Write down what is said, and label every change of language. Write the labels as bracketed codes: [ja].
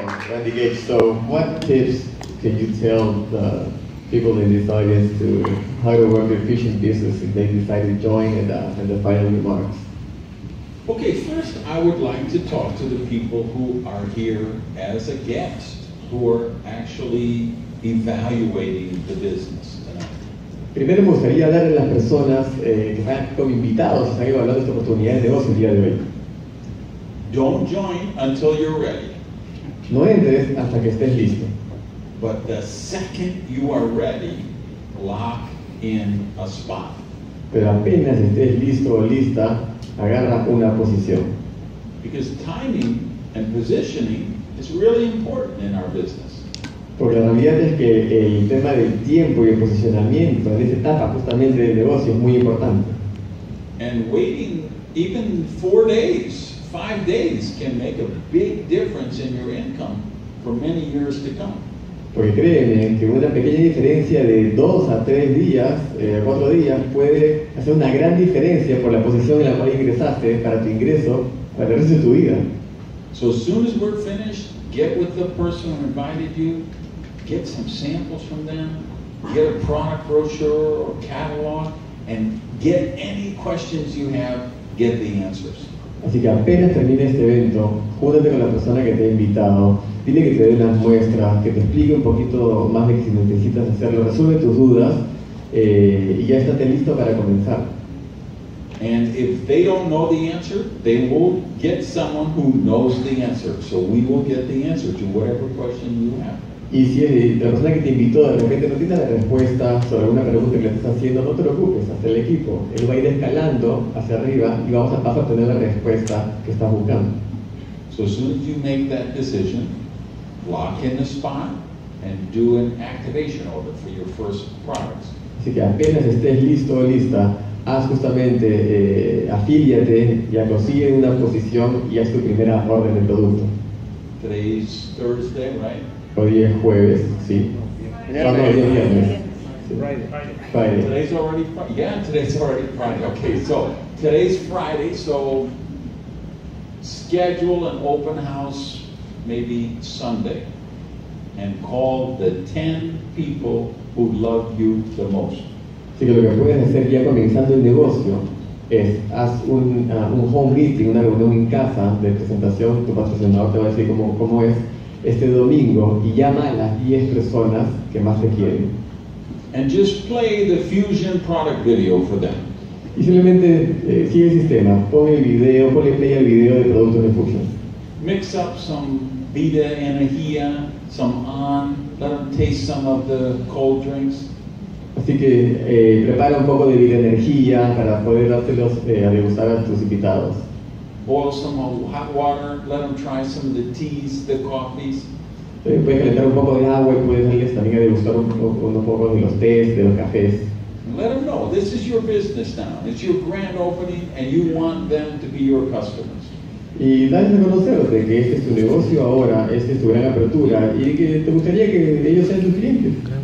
[en] Randy Gage, so what tips can you tell the people in this audience to how to work efficient business if they decide to join, and the final remarks? Okay, first I would like to talk to the people who are here as a guest, who are actually evaluating the business tonight. [es] Primero me gustaría hablar a las personas que están como invitados, están evaluando esta oportunidad de negocio el día de hoy. [en] Don't join until you're ready. [es] No entres hasta que estés listo. [en] But the second you are ready, lock in a spot. [es] Pero apenas estés listo o lista, agarra una posición. [en] Because timing and positioning is really important in our business. [es] Porque la realidad es que el tema del tiempo y el posicionamiento en esta etapa justamente del negocio es muy importante. [en] And waiting even 4 days. 5 days can make a big difference in your income for many years to come. [es] Porque créeme que una pequeña diferencia de 2 a 3 días, 4 días, puede hacer una gran diferencia por la posición en la cual ingresaste para tu ingreso para el resto de tu vida. [en] So as soon as we're finished, get with the person who invited you, get some samples from them, get a product brochure or catalog, and get any questions you have, get the answers. [es] Así que apenas termine este evento, júntate con la persona que te ha invitado, dile que te dé una muestra, que te explique un poquito más de que si necesitas hacerlo, resuelve tus dudas, y ya estate listo para comenzar. [en] And if they don't know the answer, they will get someone who knows the answer. So we will get the answer to whatever question you have. [es] Y si es la persona que te invitó de repente no tiene la respuesta sobre alguna pregunta que le estás haciendo, no te preocupes, hasta el equipo. Él va a ir escalando hacia arriba y vamos a paso a tener la respuesta que estás buscando. [en] So as soon as you make that decision, lock in the spot and do an activation order for your first products. [es] Así que apenas estés listo o lista, haz justamente, afíliate, ya consigue una posición y haz tu primera orden de producto. [en] Today is Thursday, right? [es] Hoy es jueves, sí. [en] Friday. Friday. Friday. Today's already Friday. Yeah, today's already Friday. Okay, so today's Friday, so schedule an open house maybe Sunday and call the 10 people who love you the most. [es] Así que lo que puedes hacer ya comenzando el negocio es haz un home meeting, una reunión en casa de presentación, tu patrocinador te va a decir cómo es este domingo y llama a las 10 personas que más te quieren. [en] And just play the Fusion product video for them. [es] Y simplemente sigue el sistema, pon el video, ponle play al video de productos de Fusion. [en] Mix up some Vida Energía, some On, let them taste some of the cold drinks. [es] Así que prepara un poco de Vida Energía para poder dárselos a degustar a tus invitados. [en] Boil some hot water, let them try some of the teas, the coffees. [es] Puedes calentar un poco de agua y puedes darles también a degustar un poco de los tés, de los cafés. [en] Let them know, this is your business now. It's your grand opening and you want them to be your customers. [es] Y dales a conocer de que este es tu negocio ahora, este es tu gran apertura y que te gustaría que ellos sean tus clientes.